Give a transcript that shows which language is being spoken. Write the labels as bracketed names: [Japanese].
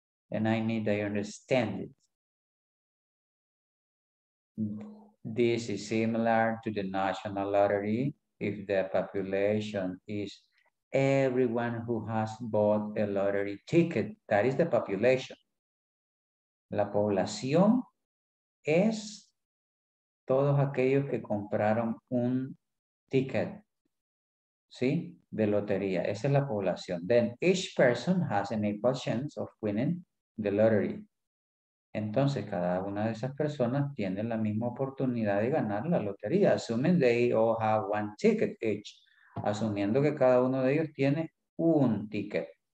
[English] And I need to understand it. This is similar to the national lottery. If the population is everyone who has bought a lottery ticket, that is the population. [Spanish] La población es todos aquellos que compraron un ticket, ¿sí? De lotería. Esa es la población. [English] Then each person has an equal chance of winning the lottery. [Spanish] Entonces, cada una de esas personas tiene la misma oportunidad de ganar la lotería. [English] Assuming they all have one ticket each. [Spanish] Asumiendo que cada uno de ellos tiene un ticket.